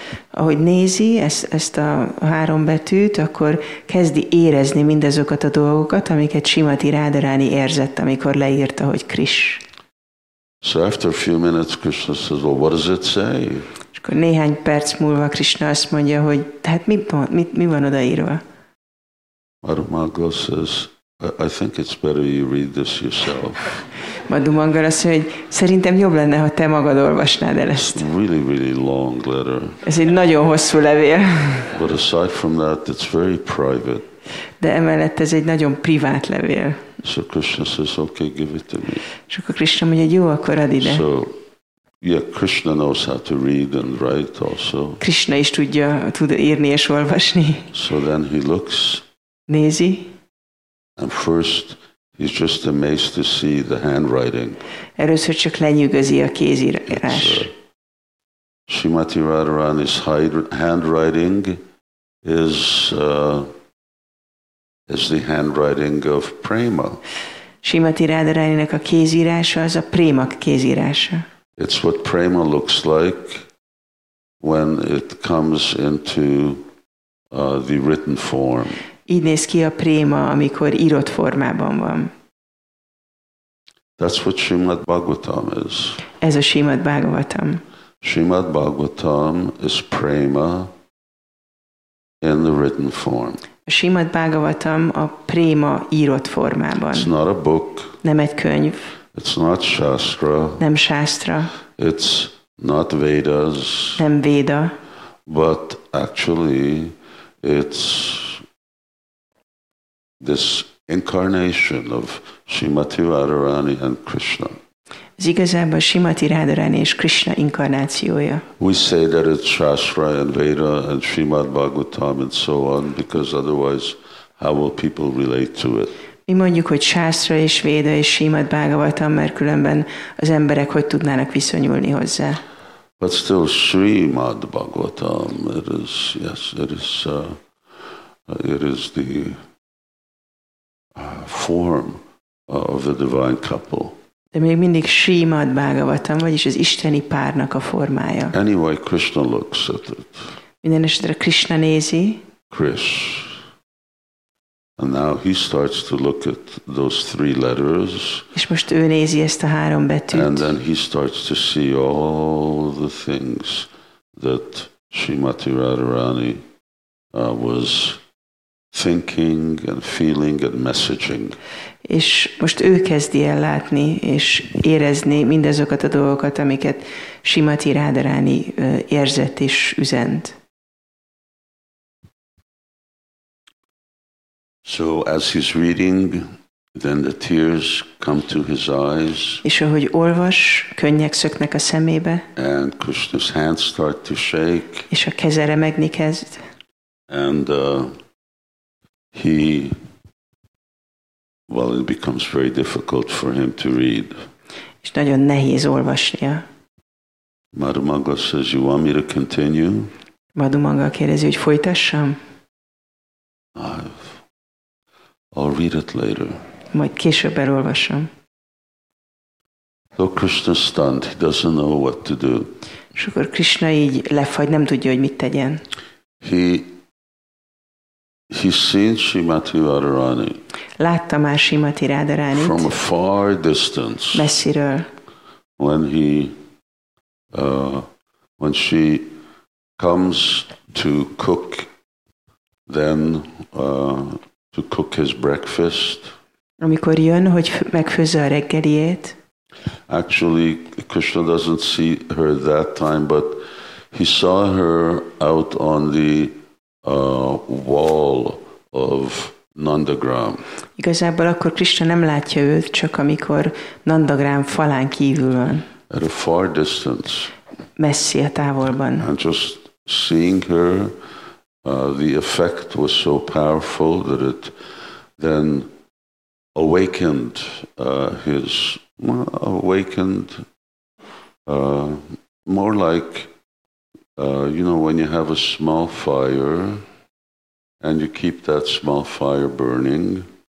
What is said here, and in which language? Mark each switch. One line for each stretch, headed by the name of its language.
Hungarian: ahogy nézi ezt a három betűt, akkor kezdi érezni mindazokat a dolgokat, amiket Simati Rádaráni érzett, amikor leírta, hogy Krish.
English: So after a few minutes, Krishna says, well, what does it say?
Hungarian: És akkor néhány perc múlva Krishna azt mondja, hogy hát mi van odaírva?
English: Madhumangala says, I think it's better you read this yourself.
Hungarian: Madhumangala azt mondja, hogy szerintem jobb lenne, ha te magad olvasnád el ezt.
English: It's really, really long letter.
Hungarian: Ez egy nagyon hosszú levél.
English: But aside from that, it's very private.
Hungarian: De emellett ez egy nagyon privát levél.
English: So Krishna says, okay, give it to me.
Hungarian: És akkor Krishna mondja, jó, akkor add ide.
English: So, yeah, Krishna knows how to read and write also.
Hungarian: Krishna is tud írni és olvasni.
English: So then he looks.
Hungarian: Nézi.
English: And first, he's just amazed to see the handwriting.
Hungarian: Először csak lenyűgözi a kézírás.
English: Srimati Radharani's handwriting is... is the handwriting of Prema.
Hungarian: Srimati Radharaninak a kézírása az a Prema kézírása.
English: It's what Prema looks like when it comes into the written form.
Hungarian: Így néz ki a Prema, amikor írott formában van.
English: That's what Srimad Bhagavatam is.
Hungarian: Ez a Srimad Bhagavatam.
English: Srimad Bhagavatam is Prema in the written form.
Hungarian: A Srimad Bhagavatam a Prema írott formában.
English: It's not a book.
Hungarian: Nem egy könyv.
English: It's not Shastra.
Hungarian: Nem Shastra.
English: It's not Vedas.
Hungarian: Nem Veda.
English: But actually it's this incarnation of Srimati Radharani and Krishna.
Hungarian: Ez igazából Srimati Radharani és Krishna inkarnációja.
English: We say that it's Shastra and Veda and Srimad Bhagavatam and so on, because otherwise how will people relate to it?
Hungarian: Mi mondjuk, hogy Shastra és Veda és Srimad Bhagavatam, mert különben az emberek hogy tudnának viszonyulni hozzá?
English: But still Srimad Bhagavatam, it is, yes, it is the form of the divine couple.
Hungarian: De még mindig Srimad Bhagavatam, vagyis az isteni párnak a formája.
English: Anyway, Krishna looks at it.
Hungarian: Minden esetre Krishna nézi.
English: Krish. And now he starts to look at those three letters.
Hungarian: És most ő nézi ezt a három betűt.
English: And then he starts to see all the things that Srimati Radharani was thinking and feeling and messaging.
Hungarian: És most ő kezdi el látni és érezni mindazokat a dolgokat, amiket Srimati Radharani érzett és üzent.
English: So as he's reading, then the tears come to his eyes.
Hungarian: És ahogy olvas, könnyek szöknek a szemébe.
English: And Krishna's hands start to shake.
Hungarian: És a keze remegni kezd.
English: And it becomes very difficult for him to read.
Hungarian: És nagyon nehéz olvasnia.
English: Madhumangala says, you want me to continue?
Hungarian: Madhumangala kérdezi, hogy folytassam?
English: I'll read it later.
Hungarian: Majd később elolvasom.
English: So Krishna stunned, he doesn't know what to do.
Hungarian: És akkor Krishna így lefagy, nem tudja, hogy mit tegyen.
English: He's seen Srimati Radharani.
Hungarian: Látta már Srimati Radharanit.
English: From a far distance.
Hungarian: Messziről.
English: When she comes to cook, then to cook his breakfast.
Hungarian: Amikor jön, hogy megfőzze a reggeliét.
English: Actually, Krishna doesn't see her that time, but he saw her out on the wall of Nandagram.
Hungarian: Igazából akkor Krishna nem látja őt, csak amikor Nandagram falán kívül van.
English: At a far distance.
Hungarian: Messzi a távolban.
English: And just seeing her, the effect was so powerful that it then awakened when you have a small fire and you keep that small fire burning.